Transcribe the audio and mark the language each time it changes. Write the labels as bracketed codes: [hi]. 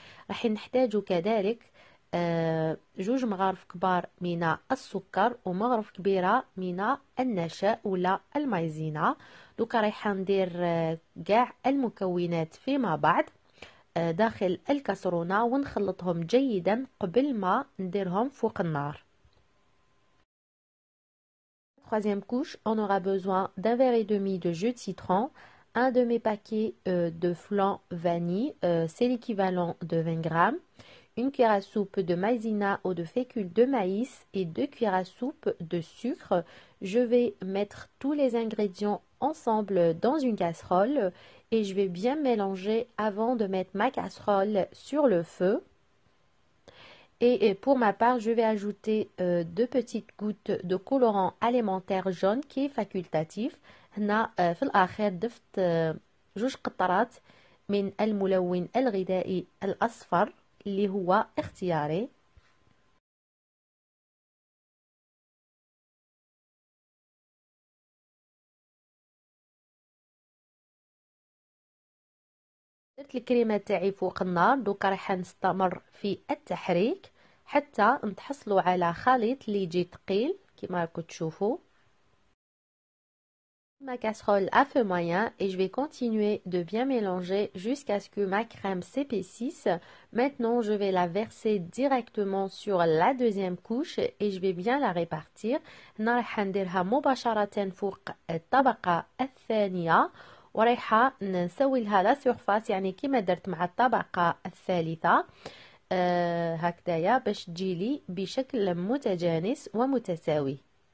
[ar] رح نحتاجو كذلك 2 مغارف كبار من السكر ومغرف كبيرة من النشا ولا المايزينا. دوكا رح ندير كاع المكونات فيما بعد داخل الكاسرونة ونخلطهم جيدا قبل ما نديرهم فوق النار. [fr] Troisième couche, on aura besoin d'un verre et demi de jus de citron, un demi-paquet de flan vanille, c'est l'équivalent de 20 grammes, une cuillère à soupe de maïzena ou de fécule de maïs et 2 cuillères à soupe de sucre. Je vais mettre tous les ingrédients ensemble dans une casserole et je vais bien mélanger avant de mettre ma casserole sur le feu. Et pour ma part, je vais ajouter 2 petites gouttes de colorant alimentaire jaune qui est facultatif. [ar] هنا في الاخر ضفت 2 قطرات من الملون الغذائي الاصفر اللي هو اختياري. درت الكريمة تاعي فوق النار، دوكا راح نستمر في التحريك حتى نتحصلوا على خليط اللي يجي ثقيل كما راكم تشوفوا. [fr] Ma casserole à feu moyen et je vais continuer de bien mélanger jusqu'à ce que ma crème s'épaississe. Maintenant, je vais la verser directement sur la deuxième couche et je vais bien la répartir. [ar] راح نديرها مباشرة فوق الطبقة الثانية ورايحة نسوي لها لا سيرفاس يعني كما درت مع الطبقة الثالثة هكذايا باش تجيلي بشكل متجانس ومتساوي.